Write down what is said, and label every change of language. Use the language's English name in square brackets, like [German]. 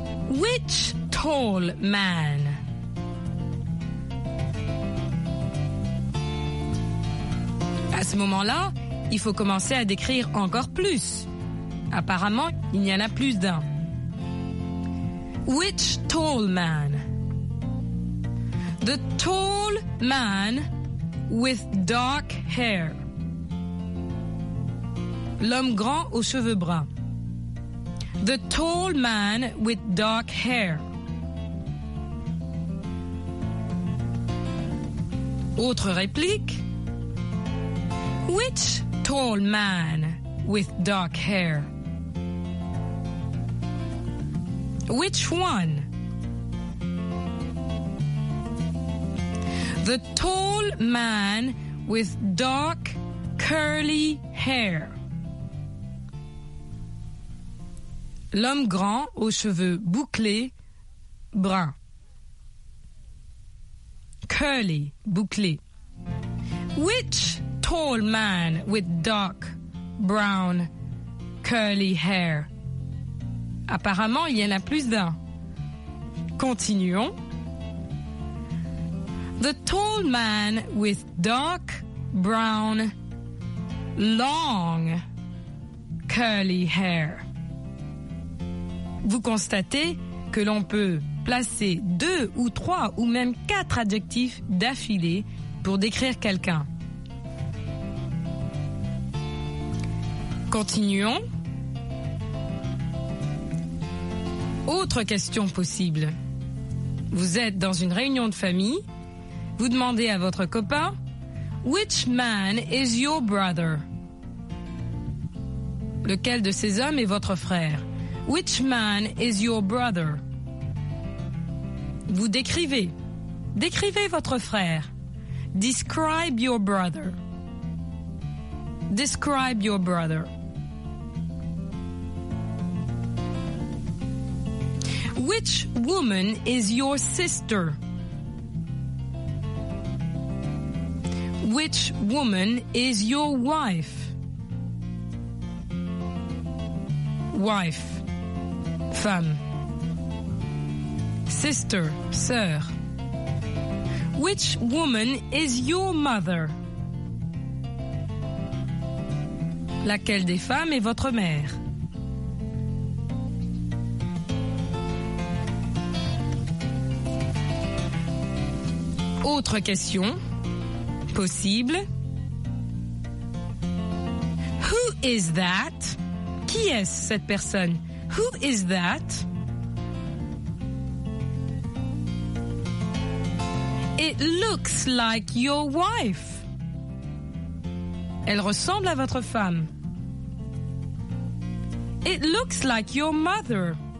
[English] Which tall man? [French] À ce moment-là, il faut commencer à décrire encore plus. Apparemment, il y en a plus d'un. [English] Which tall man? The tall man with dark hair. [French] L'homme grand aux cheveux bruns. [English] The tall man with dark hair. [French] Autre réplique. [English] Which tall man with dark hair? Which one? The tall man with dark curly hair. [French] L'homme grand aux cheveux bouclés bruns. [English] Curly, bouclé. Which tall man with dark brown curly hair. [French] Apparemment, il y en a plus d'un. Continuons. [English] The tall man with dark brown long curly hair. [French] Vous constatez que l'on peut placer deux ou trois ou même quatre adjectifs d'affilée pour décrire quelqu'un. Continuons. autre question possible. Vous êtes dans une réunion de famille. Vous demandez à votre copain, [English] Which man is your brother? [French] Lequel de ces hommes est votre frère? [English] Which man is your brother? [French] Vous décrivez. Décrivez votre frère. [English] Describe your brother. Describe your brother. Which woman is your sister? Which woman is your wife? Wife, femme. Sister, sœur. Which woman is your mother? [French] Laquelle des femmes est votre mère? Autre question possible. [English] Who is that? [French] Qui est-ce cette personne? [English] Who is that? It looks like your wife. [French] Elle ressemble à votre femme. [English] It looks like your mother.